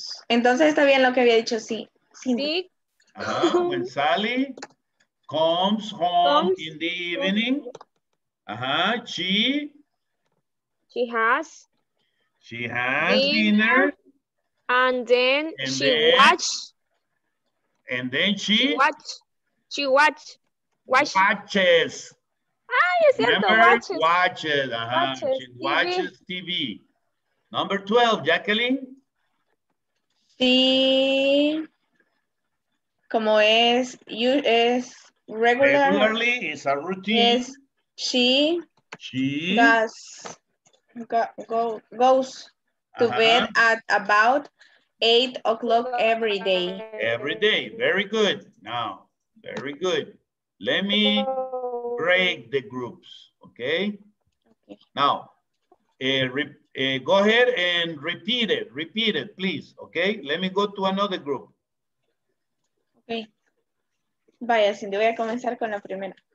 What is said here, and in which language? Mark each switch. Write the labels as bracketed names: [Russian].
[Spanish] Entonces está bien lo que había dicho, sí. Sí. [English] When Sally comes home in the evening, she has dinner. And then she watches. [Spanish] Ay, es cierto, [English] watches TV. Number 12, Jacqueline. [Spanish] She como es, you, es regular. [English] Regularly, it's a routine. Yes, she does, goes to bed at about 8 o'clock every day. Every day, very good. Now, very good. Let me break the groups, okay? Now, go ahead and repeat it, please, okay? Let me go to another group. Okay. [Spanish] Vaya, Cindy, voy a comenzar con la primera.